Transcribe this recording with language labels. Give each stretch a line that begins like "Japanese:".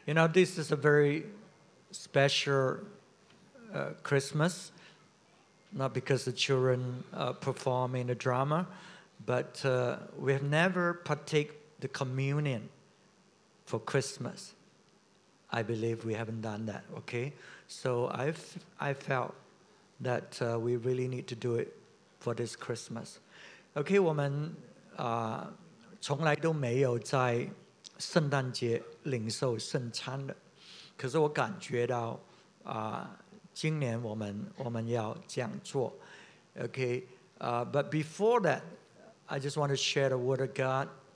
English: You know, this is a very special Christmas, not because the children perform in the drama, but we have never partake the communion for Christmas. I believe we haven't done that, okay? So I felt that we really need to do it for this Christmas.
Chinese: Okay, 我们从来都没有在 圣诞节领受圣餐的，可是我感觉到，今年我们要这样做。
English: Okay, but before that, I just want to share the word of God.